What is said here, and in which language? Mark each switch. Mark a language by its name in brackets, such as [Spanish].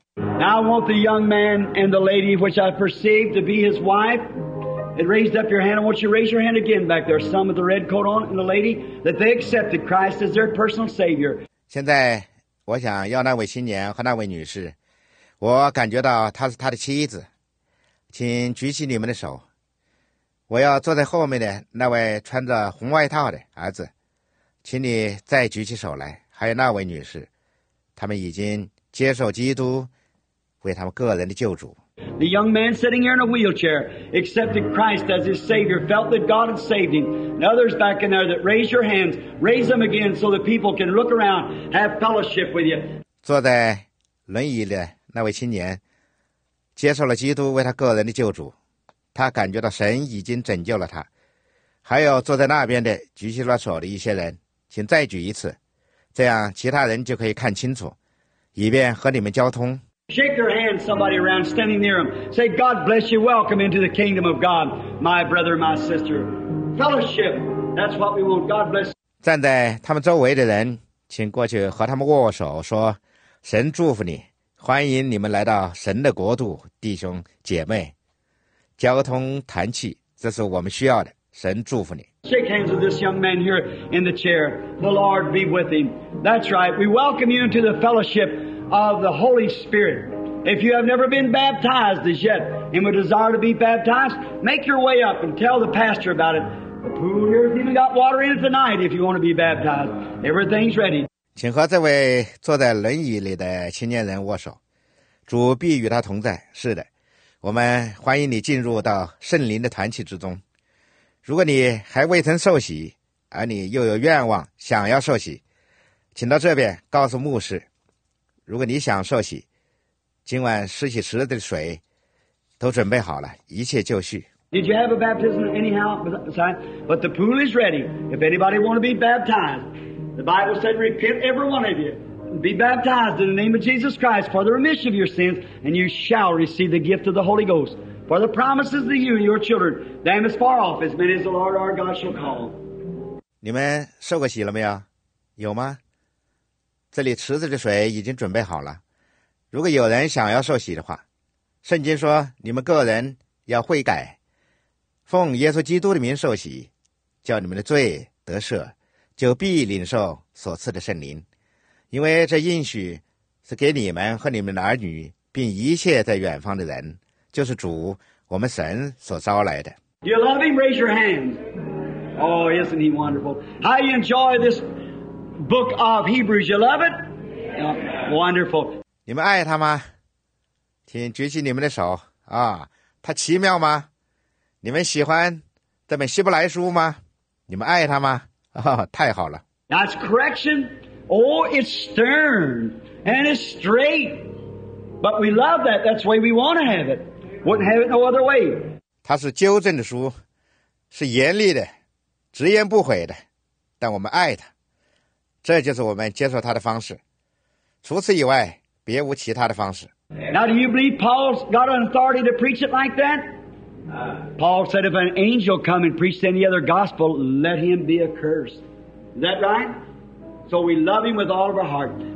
[English] Now I want the young man and the lady which I perceive to be his wife. It raised up your hand. I want you to raise your hand again back there. Some with the red coat on and the lady that they accepted Christ as their personal Savior. [Chinese] 现在我想要那位青年和那位女士，我感觉到她是他的妻子，请举起你们的手。我要坐在后面的那位穿着红外套的儿子，请你再举起手来。还有那位女士，他们已经接受基督为他们个人的救主。 [English] The young man sitting here in a wheelchair accepted Christ as his Savior, felt that God had saved him. And others back in there that raise your hands, raise them again so that people can look around, have fellowship with you. [Chinese] 坐在轮椅的那位青年接受了基督为他个人的救主，他感觉到神已经拯救了他。还有坐在那边的举起了手的一些人，请再举一次，这样其他人就可以看清楚，以便和你们交通。 [English] Shake your hand, somebody around standing near him. Say, God bless you. Welcome into the kingdom of God, my brother, my sister. Fellowship. That's what we want. God bless. [Chinese] 站在他们周围的人，请过去和他们握手，说：“神祝福你，欢迎你们来到神的国度，弟兄姐妹。” 交通团契，这是我们需要的。神祝福你。 [English] Shake hands with this young man here in the chair. The Lord be with him. That's right. We welcome you into the fellowship of the Holy Spirit. If you have never been baptized as yet and would desire to be baptized, make your way up and tell the pastor about it. The pool here has even got water in it tonight if you want to be baptized. Everything's ready. [Chinese] 请和这位坐在轮椅里的青年人握手。主必与他同在。是的，我们欢迎你进入到圣灵的团契之中。如果你还未曾受洗，而你又有愿望想要受洗，请到这边告诉牧师。如果你想受洗，今晚施洗池的水都准备好了，一切就绪。 [English] Did you have a baptism anyhow? But the pool is ready. If anybody want to be baptized, the Bible said, repent every one of you. Be baptized in the name of Jesus Christ for the remission of your sins, and you shall receive the gift of the Holy Ghost. For the promises to you and your children, them as far off as many as the Lord our God shall call. [Chinese] 你们受过洗了没有？有吗？这里池子的水已经准备好了。如果有人想要受洗的话，圣经说你们个人要悔改，奉耶稣基督的名受洗，叫你们的罪得赦，就必领受所赐的圣灵。因为这应许是给你们和你们的儿女，并一切在远方的人。就是主我们神所招来的。 [English] Do you love him? Raise your hands. Oh, isn't he wonderful? How you enjoy this book of Hebrews? You love it? Yeah, wonderful. [Chinese] 你们爱他吗？请举起你们的手啊！他奇妙吗？你们喜欢这本希伯来书吗？你们爱他吗？啊，太好了。 [English] That's correction. Oh, it's stern and it's straight. But we love that. That's why we want to have it. Wouldn't have it no other way. [Chinese] 它是纠正的书，是严厉的，直言不讳的，但我们爱它，这就是我们接受它的方式。除此以外，别无其他的方式。 [English] Now, do you believe Paul's got an authority to preach it like that? Paul said, if an angel come and preach any other gospel, let him be accursed. Is that right? So we love him with all of our heart.